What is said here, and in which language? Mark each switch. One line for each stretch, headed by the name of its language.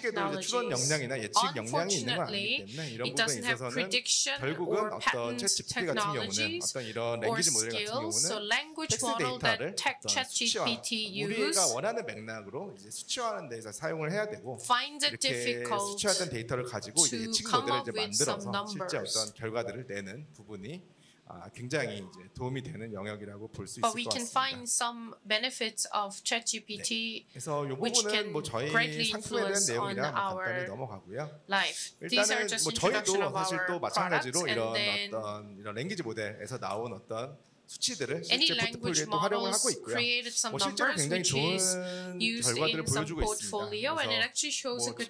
Korean: 아쉽게도 이제 출원 역량이나 예측 역량이 있는 거 아니기 때문에 이런 부분에 있어서는 결국은 어떤 ChatGPT 같은 경우는 어떤 이런 랭귀지 모델 같은 경우는 텍스트 데이터를 ChatGPT 우리가 원하는 맥락으로 이제 수치화하는 데서 사용을 해야 되고 이렇게 수치화된 데이터를 가지고 이제 예측 모델을 이제 만들어서 실제 어떤 결과들을 내는 부분이 굉장히 이제 도움이 되는 영역이라고 볼 수 있을 것 같습니다.
English: But we can find some benefits of ChatGPT,
Korean: 그래서 이 부분은 저희 상품에 대한 내용이라 간단히 넘어가고요. 일단은 저희도 사실 또 마찬가지로 이런 어떤 이런 랭귀지 모델에서 나온 어떤 수치들을 실제 포트폴리오에 또 활용을 하고 있고요. 실제로 굉장히 좋은 결과들을 보여주고 있습니다.